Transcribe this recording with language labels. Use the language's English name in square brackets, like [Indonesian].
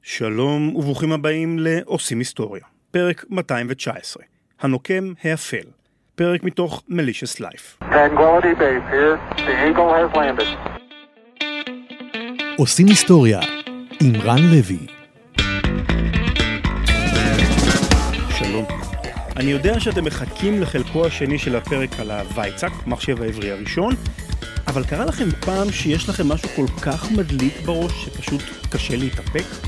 [Hebrew] שלום וברוכים הבאים לעושים היסטוריה, פרק 219, הנוקם האפל, פרק מתוך Malicious Life. [English] Tranquility Base here, the Eagle has landed. [Hebrew] עושים היסטוריה, עם רן לוי. שלום. אני יודע שאתם מחכים לחלקו השני של הפרק על הוויצק, מחשב העברי הראשון, אבל קרה לכם פעם שיש לכם משהו כל כך מדליק בראש שפשוט קשה להתאפק?